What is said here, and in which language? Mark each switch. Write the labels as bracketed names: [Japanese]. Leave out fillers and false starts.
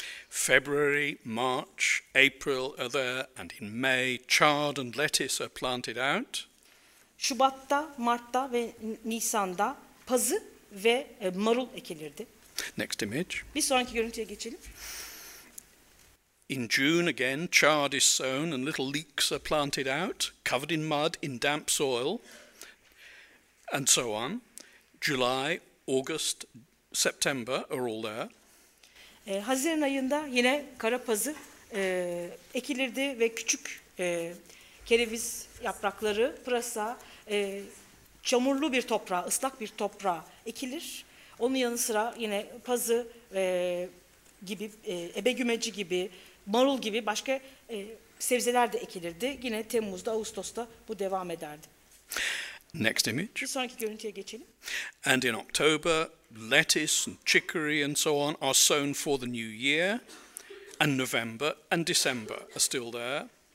[English] February, March, April are there, and in May, chard and lettuce are planted out. [Turkish] Şubat'ta, Mart'ta ve Nisan'da pazı ve marul ekilirdi. [English] Next image. [Turkish] Bir sonraki görüntüye geçelim. [English] In June again, chard is sown and little leeks are planted out, covered in mud, in damp soil, and so on. July, August, September are all there. [Turkish] Haziran ayında yine karapazı ekilirdi ve küçük kereviz yaprakları, pırasa, çamurlu bir toprağa, ıslak bir toprağa ekilir. Onun yanı sıra yine pazı gibi, ebegümeci gibi, marul gibi başka sebzeler de ekilirdi. Yine Temmuz'da, Ağustos'ta bu devam ederdi. [English] Next image. [Turkish] Bir sonraki görüntüye geçelim. [English] And in October, lettuce and chicory and so on are sown for the new year. And November and December are still there.